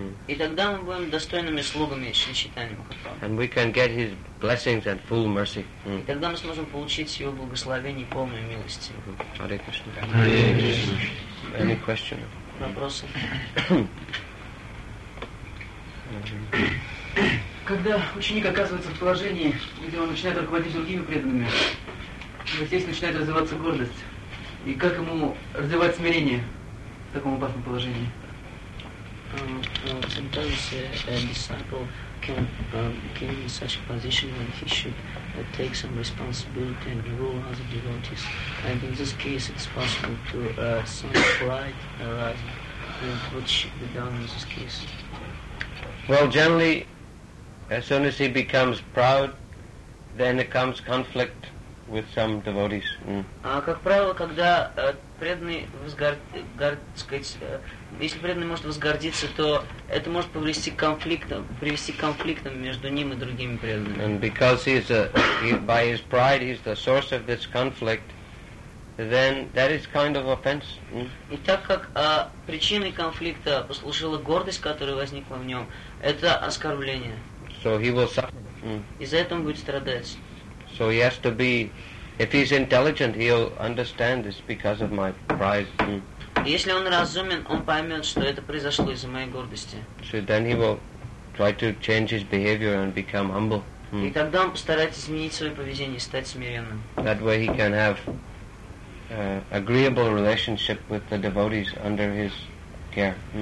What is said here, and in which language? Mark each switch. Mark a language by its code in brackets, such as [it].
[ru] И тогда мы будем достойными слугами Шри Чайтаньи Махапрабху. [en] And we can get his blessings and full mercy. [ru] И тогда мы сможем получить его благословение и полную милость. [sa] Hare Krishna. Hare Krishna. [en] Any question? [ru] Вопросы? Когда ученик оказывается в положении, где он начинает руководить другими преданными, здесь начинает развиваться гордость. И как ему развивать смирение в таком опасном положении? [en] Sometimes a disciple can be in such a position when he should take some responsibility and rule other devotees. And in this case, it's possible to some pride arising. What should be done in this case? Well, generally, as soon as he becomes proud, then it comes conflict with some devotees. [ru] Как правило, когда преданный возгордится, если преданный может возгордиться, то это может привести к конфликтам между ним и другими преданными. [en] And because by his pride he's the source of this conflict, then that is kind of offense. [ru] И так как причиной конфликта послужила гордость, которая возникла в нем, это оскорбление. [en] So he will suffer. [ru] Из-за этого будет страдать. [en] So he has to be, if he's intelligent, he'll understand this because of my pride. [ru] Если он разумен, он поймет, что это произошло из-за моей гордости. [en] So then he will try to change his behavior and become humble. [ru] И тогда он постарается изменить свое поведение, стать смиренным. [en] That way he can have agreeable relationship with the devotees under his care.